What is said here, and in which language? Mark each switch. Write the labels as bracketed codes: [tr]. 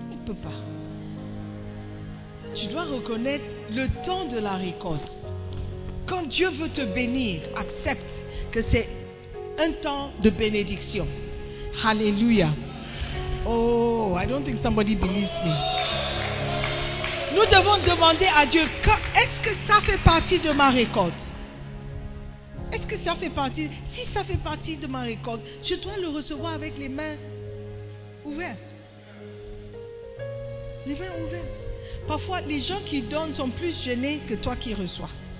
[fr] Pas. Tu dois reconnaître le temps de la récolte. Quand Dieu veut te bénir, accepte que c'est un temps de bénédiction. Alléluia. [en] Oh, I don't think somebody believes me. [fr] Nous devons demander à Dieu, est-ce que ça fait partie de ma récolte? Est-ce que ça fait partie? Si ça fait partie de ma récolte, je dois le recevoir avec les mains ouvertes. Les mains ouvertes. Parfois, les gens qui donnent sont plus gênés que toi qui reçois.